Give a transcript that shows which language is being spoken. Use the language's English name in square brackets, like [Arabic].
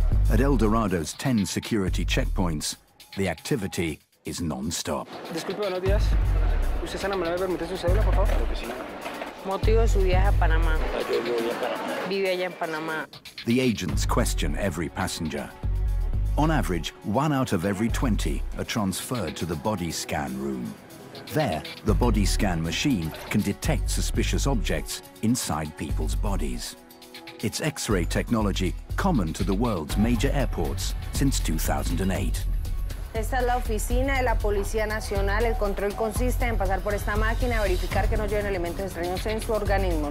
[English] At El Dorado's 10 security checkpoints, the activity is non-stop. [Spanish] Disculpe, buenos días. ¿Usted se enamoró de permitir su cédula, por favor? Motivo de su viaje a Panamá. Yo vivo allá en Panamá. Vive allá en Panamá. [English] the agents question every passenger. On average, one out of every 20 are transferred to the body scan room. There, the body scan machine can detect suspicious objects inside people's bodies. It's X-ray technology common to the world's major airports since 2008. [Spanish] Esta es la oficina de la Policía Nacional. El control consiste en pasar por esta máquina, verificar que no lleven elementos extraños en su organismo.